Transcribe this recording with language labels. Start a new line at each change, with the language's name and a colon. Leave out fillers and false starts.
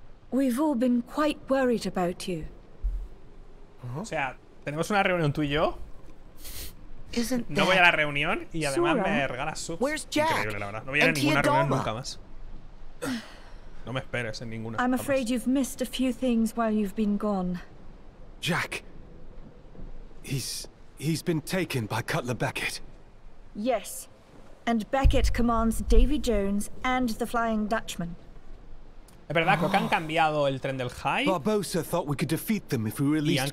English: We've all been quite worried about you.
Spanish: O sea, tenemos una reunión tú y yo.
English: Isn't
Spanish: no voy a la reunión y además Sora, me regalas subs.
English: Where's Jack?
Spanish: Increíble, la verdad. No voy a ir a ninguna reunión nunca más. No me esperes en ninguna.
English: I'm afraid
Spanish: jamás.
English: You've missed a few things while you've been gone. Jack. He's been taken by Cutler Beckett. Yes. And Beckett commands Davy Jones and the Flying Dutchman.
Spanish: Es verdad, creo que han cambiado el tren del Hive.
English: Barbosa thought we could defeat them if we released